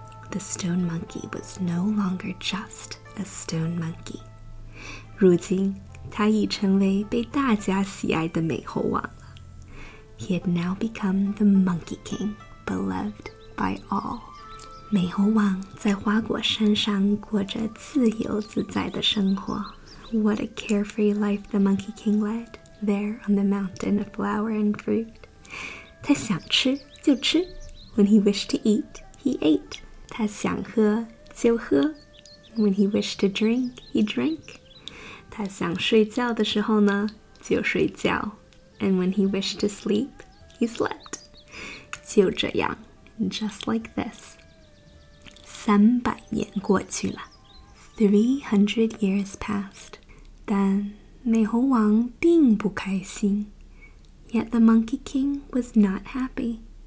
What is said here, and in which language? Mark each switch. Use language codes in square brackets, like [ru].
[en] The stone monkey was no longer just a stone monkey. [zh] 如今他已成为被大家喜爱的美猴王了。 [en] He had now become the monkey king, beloved by all. [zh] 美猴王在花果山上过着自由自在的生活。 [en] What a carefree life the monkey king led there on the mountain of flower and fruit. [zh] 他想吃就吃。 [en] When he wished to eat, he ate. [zh] 他想喝就喝。 [en] When he wished to drink, he drank. [zh] 他想睡觉的时候呢就睡觉。 [en] And when he wished to sleep, he slept. [zh] 就这样 [en] just like this. [zh] 三百年过去了 [en] 300 years passed [zh] 但美猴王并不开心 [en] Yet the monkey king was not happy